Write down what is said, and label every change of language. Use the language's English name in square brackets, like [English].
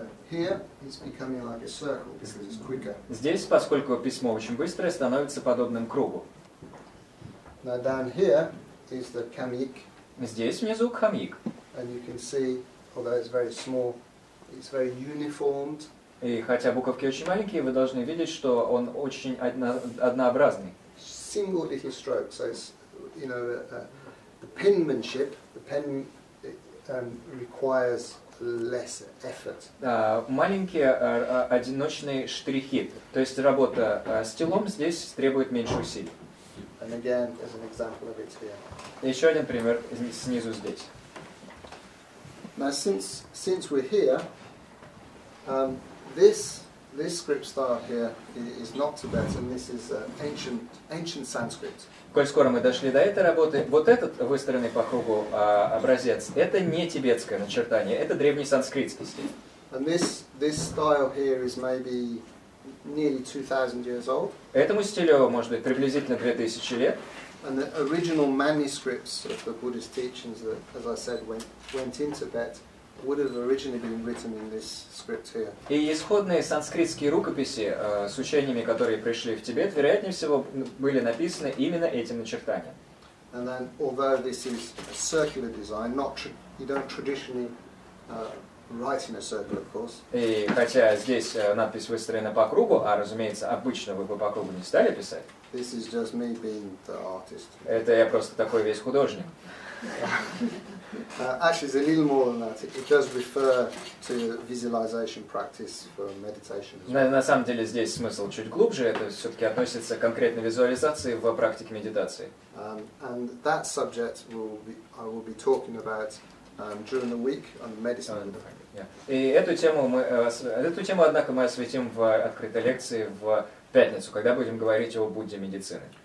[English] Here it's becoming like a circle because it's quicker. [Russian] Здесь, поскольку письмо очень быстрое, становится подобным кругу. [English] Now down here is the khamyik. [Russian] Здесь внизу khamyik. [English] And you can see, although it's very small, it's very uniformed. [Russian] И хотя буковки очень маленькие, вы должны видеть, что он очень однообразный. [English] Single little stroke, so it's, you know, the penmanship, the pen requires less effort. [Russian] Маленькие одиночные штрихи, то есть работа стилом здесь требует меньше усилий. [English] And again, as an example of it here. [Russian] Еще один пример снизу здесь. [English] Now, since we're here, this script style here is not Tibetan. This is ancient Sanskrit. [Russian] Коль скоро мы дошли до этой работы, вот этот выстроенный по кругу образец, это не тибетское начертание, это древний санскритский стиль. [English] And this style here is maybe nearly 2000 years old. [Russian] Этому стилю, может быть, приблизительно 2000 лет. [English] And the original manuscripts of the Buddhist teachings that, as I said, went in Tibet, would have originally been written in this script here. [Russian] И исходные санскритские рукописи с учениями, которые пришли в Тибет, вероятнее всего были написаны именно этим начертанием. [English] And then, although this is a circular design, you don't traditionally write in a circle, of course. [Russian] И хотя здесь надпись выстроена по кругу, а разумеется, обычно вы бы по кругу не стали писать. [English] This is just me being the artist. [Russian] Это я просто такой весь художник. [English] Actually, it's a little more than that. It does refer to visualization practice for meditation. [Russian] На самом деле здесь смысл чуть глубже. Это все-таки относится к конкретной визуализации в практике медитации. [English] And that subject I will be talking about during the week on medicine. [Russian] И эту тему, однако, мы осветим в открытой лекции в пятницу, когда будем говорить о Будде медицины.